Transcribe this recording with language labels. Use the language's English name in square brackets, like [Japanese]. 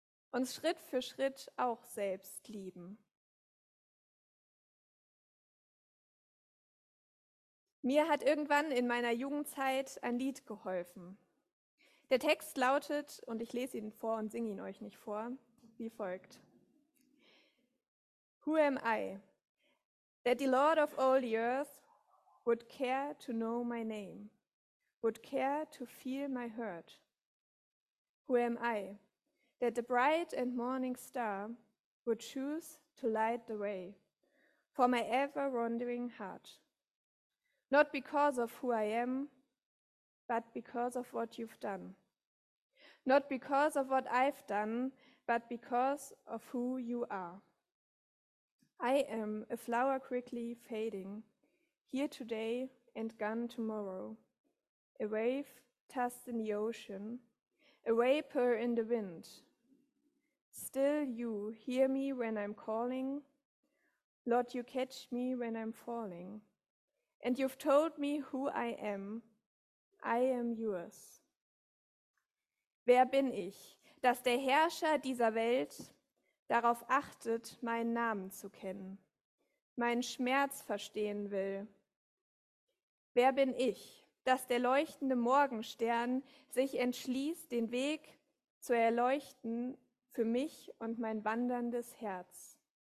[German] Uns Schritt für Schritt auch selbst lieben. Mir hat irgendwann in meiner Jugendzeit ein Lied geholfen. Der Text lautet, und ich lese ihn vor und singe ihn euch nicht vor, wie folgt. [English] Who am I, that the Lord of all the earth would care to know my name? Would care to feel my hurt. Who am I, that the bright and morning star would choose to light the way for my ever wandering heart? Not because of who I am, but because of what you've done. Not because of what I've done, but because of who you are. I am a flower quickly fading, here today and gone tomorrow. A wave tossed in the ocean, a vapor in the wind. Still you hear me when I'm calling, Lord, you catch me when I'm falling, and you've told me who I am yours. [German] Wer bin ich, dass der Herrscher dieser Welt darauf achtet, meinen Namen zu kennen, meinen Schmerz verstehen will? Wer bin ich, dass der leuchtende Morgenstern sich entschließt, den Weg zu erleuchten für mich und mein wanderndes Herz?